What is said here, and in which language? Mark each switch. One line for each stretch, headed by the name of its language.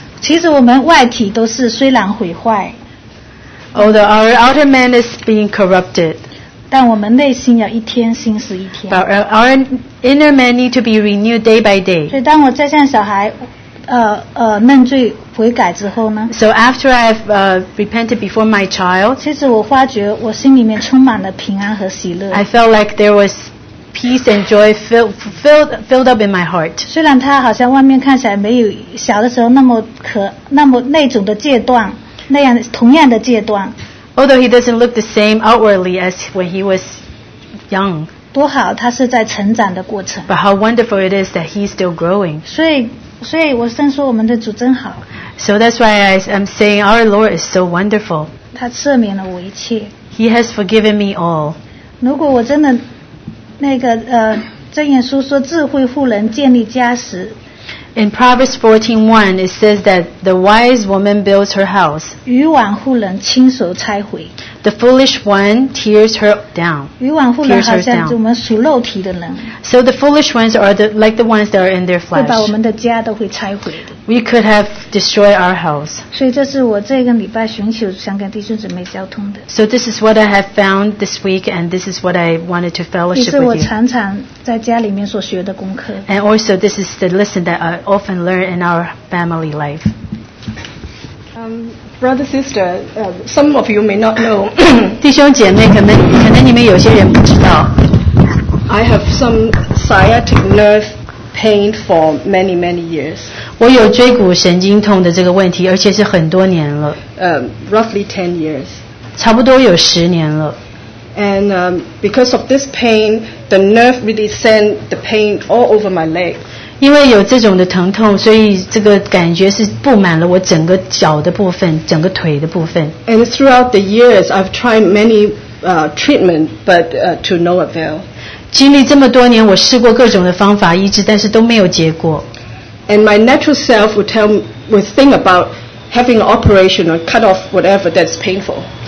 Chinese: 其实我们外体都是虽然毁坏,
English: although our outer man is being corrupted,
Chinese: 但我们内心要一天新似一天,
English: but our inner man need to be renewed day by day.
Chinese: 所以当我再向小孩, 认罪悔改之后呢?
English: So after I've repented before my child,
Chinese: 其实我发觉我心里面充满了平安和喜乐。
English: I felt like there was peace and joy filled up in my heart.
Chinese: 虽然他好像外面看起来没有小的时候那么可那么那种的戒断，那样同样的戒断。
English: Although he doesn't look the same outwardly as when he was young.
Chinese: 多好，他是在成长的过程。
English: But how wonderful it is that he's still growing.
Chinese: 所以我正说我们的主真好。
English: So that's why I'm saying our Lord is so wonderful. He has forgiven me all.
Chinese: 如果我真的那个，箴言书说智慧妇人建立家时。
English: In Proverbs 14:1, it says that the wise woman builds her house.
Chinese: 愚妄妇人亲手拆毁。
English: The foolish one tears her down.
Chinese: 愚妄妇人好像是我们属肉体的人。
English: So the foolish ones are the like the ones that are in their flesh.
Chinese: 会把我们的家都会拆毁的。
English: We could have destroyed our house.
Chinese: 所以这是我这个礼拜寻求想跟弟兄姊妹交通的。
English: So this is what I have found this week, and this is what I wanted to fellowship with you.
Chinese: 也是我常常在家里面所学的功课。
English: And also, this is the lesson that I often learn in our family life. Brother, sister, some of you may not know.
Chinese: 弟兄姐妹，可能你们有些人不知道。
English: I have some sciatic nerve pain for many, many years.
Chinese: 我有椎骨神经痛的这个问题，而且是很多年了。
English: Roughly 10 years.
Chinese: 差不多有10年了。
English: And because of this pain, the nerve really sent the pain all over my leg.
Chinese: 因为有这种的疼痛，所以这个感觉是布满了我整个脚的部分，整个腿的部分。
English: And throughout the years, I've tried many treatment, but to no avail.
Chinese: 经历这么多年，我试过各种的方法医治，但是都没有结果。
English: And my natural self would tell, would think about having an operation or cut off whatever that's painful.